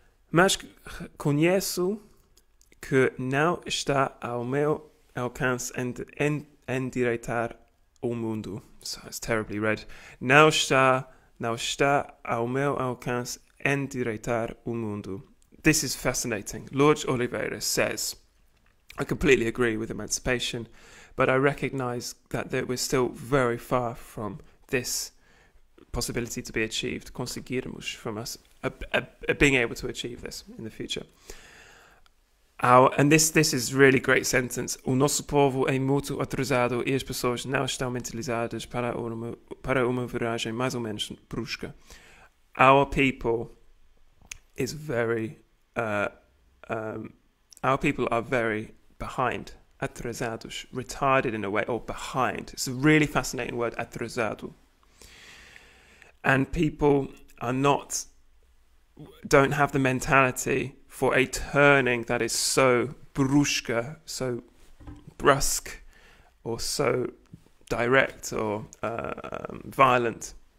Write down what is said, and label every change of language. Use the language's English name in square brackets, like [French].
[Portuguese] Mas conheço que não está ao meu alcance endireitar o mundo. [English] So it's terribly read. [Portuguese] Não está ao meu alcance endireitar o mundo. [English] This is fascinating. Lord Oliveira says, I completely agree with emancipation, but I recognize that we're still very far from this possibility to be achieved, conseguirmos from us, being able to achieve this in the future. And this is a really great sentence. [Portuguese] O nosso povo é muito atrasado e as pessoas não estão mentalizadas para uma viragem mais ou menos brusca. [English] Our people are very behind, atrasados, retarded in a way, or behind. It's a really fascinating word, atrasado. And people don't have the mentality for a turning that is so brusca, so brusque, or so direct, or violent.